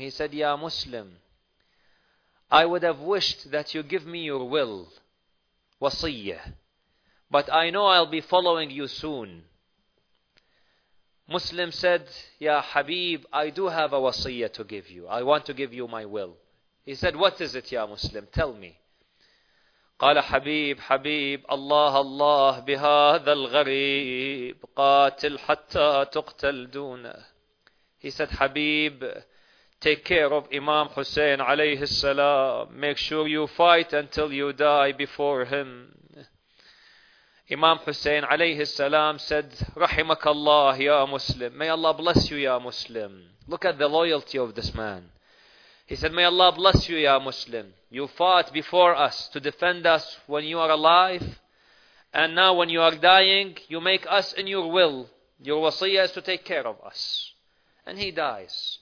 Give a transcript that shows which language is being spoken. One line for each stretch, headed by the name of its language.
English: He said, Ya Muslim, I would have wished that you give me your will, wasiyyah, but I know I'll be following you soon. Muslim said, Ya Habib, I do have a wasiyyah to give you. I want to give you my will. He said, what is it, Ya Muslim? Tell me.
Arabic: قال حبيب حبيب الله الله بهذا الغريب قاتل حتى تقتل دونه.
English: He said, Habib, take care of Imam Hussein عليه السلام. Make sure you fight until you die before him.
Arabic: Imam Hussein عليه السلام
English: said,
Arabic: رحمك الله يا مسلم.
English: May Allah bless you, يا مسلم. Look at the loyalty of this man. He said, may Allah bless you, ya Muslim. You fought before us to defend us when you are alive. And now when you are dying, you make us in your will. Your wasiyah is to take care of us. And he dies.